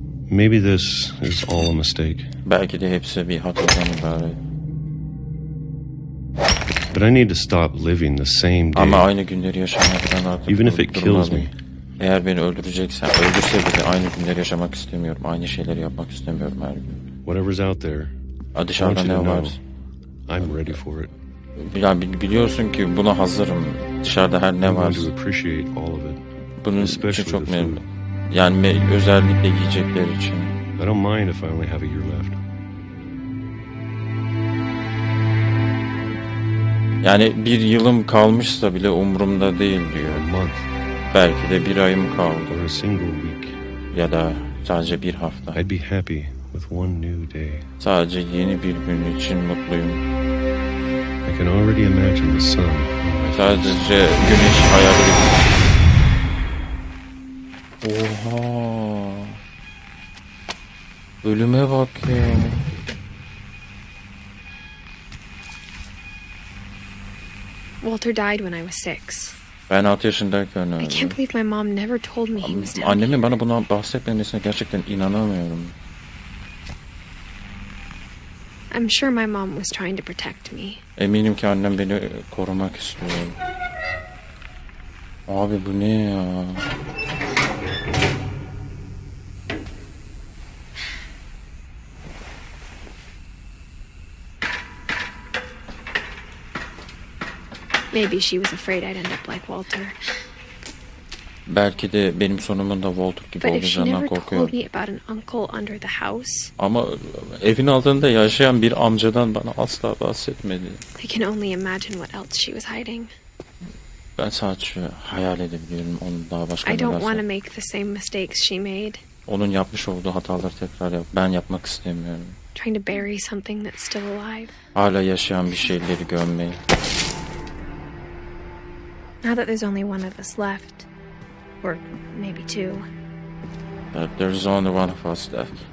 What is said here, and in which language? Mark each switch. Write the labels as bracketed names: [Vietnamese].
[English] Maybe this is all a mistake. [Turkish] Belki de hepsi bir hata. [English] But I need to stop living the same day. [Turkish] Ama aynı günleri yaşamak istemiyorum artık. [English] Even if it kills me. [Turkish] Eğer beni öldüreceksen, öldürse bile aynı günleri yaşamak istemiyorum. Aynı şeyleri yapmak istemiyorum her gün. [English] Whatever's out there. [Turkish] Dışarıda ne var? [English] I'm ready for it. [Turkish] Ya biliyorsun ki buna hazırım. Dışarıda her ne var? [English] I'm going to appreciate all of it. [Turkish] Bunun için çok memnunum. Yani özellikle yiyecekler için. [English] I don't mind if I only have a year left. [Turkish] Yani bir yılım kalmışsa bile umurumda değil diyor. [English] Month. [Turkish] Belki de bir ayım kaldı. [English] Or a single week. [Turkish] Ya da sadece bir hafta. [English] I'd be happy with one new day. [Turkish] Sadece yeni bir gün için mutluyum. [English] I can already imagine the sun. [Turkish] Sadece güneş hayal ediyorum. Oha. Ölüme bak ya. [English] Walter died when I was six. [Turkish] Ben 6 yaşındayken öldü. [English] I can't believe my mom never told me he was dead. [Turkish] Annemin bana bundan bahsetmemesine gerçekten inanamıyorum. [English] I'm sure my mom was trying to protect me. [Turkish] Eminim ki annem beni korumak istiyor. Abi bu ne ya? [English] Maybe she was afraid I'd end up like Walter. [Turkish] Belki de benim sonumun da Walter gibi olacağından korkuyor. [English] But if she never told me about an uncle under the house. [Turkish] Ama evin altında yaşayan bir amcadan bana asla bahsetmedi. [English] I can only imagine what else she was hiding. [Turkish] Ben sadece hayal edebiliyorum onun daha başka neler. [English] I don't want to make the same mistakes she made. [Turkish] Onun yapmış olduğu hataları tekrar ben yapmak istemiyorum. [English] Trying to bury something that's still alive. [Turkish] Hala yaşayan bir şeyleri gömmeyi. [English] Now that there's only one of us left, or maybe two. But there's only one of us left.